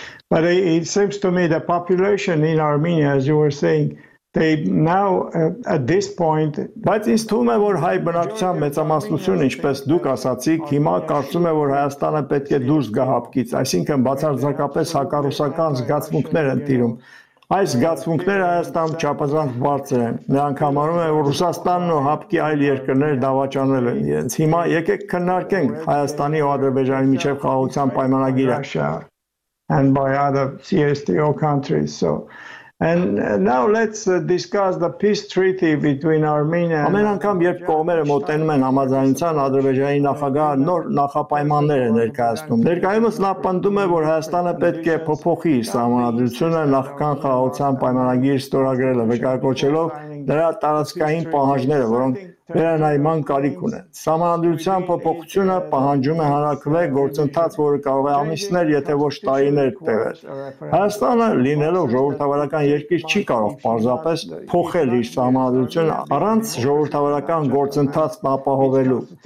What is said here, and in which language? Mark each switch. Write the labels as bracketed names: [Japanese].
[English] But it seems to me the population in Armenia, as you were saying, they now at this point, [Armenian] բայց ինձ թվում է, որ հայ բնակչության մեծամասնությունը, ինչպես դուք ասացիք, հիմա կարծում է, որ Հայաստանը պետք է դուրս գա հապկից, այսինքն բացարձակապես հակառուսական զգացմունքներ են տիրում։ Այս զգացմունքները Հայաստանում չափազանց բարձր են, նրանք համարում են, որ Ռուսաստանն ու հապկի այլ երկրները դավաճանել են իրենց։ Հիմա եկեք քննարկենք Հայաստանի ու Ադրբեջանի միջև խաղաղության պայմանագիրը, [English] and by other CSTO countries. So, and now let's discuss the peace treaty between Armenia. [Armenian] Ամեն անգամ, երբ կողմերը մոտենում են համաձայնության, Ադրբեջանի նախագահը նոր նախապայմաններ է ներկայացնում։ Ներկայումս նա պնդում է, որ Հայաստանը պետք է փոփոխի իր սահմանադրությունը նախքան խաղաղության պայմանագիր ստորագրելը, վկայակոչելով նրա տարածքային պահանջները, որոնք վերանայման կարիք ունեն։ Սահմանադրության փոփոխությունը պահանջում է հարաքվել գործընթաց, որը կարող է ամիսներ, եթե ոչ տարիներ տևել։ Հայաստանը, լինելով ժողովրդավարական երկիր, չի կարող պարզապես փոխել իր սահմանադրությունը առանց ժողովրդավարական գործընթաց ապահովելու։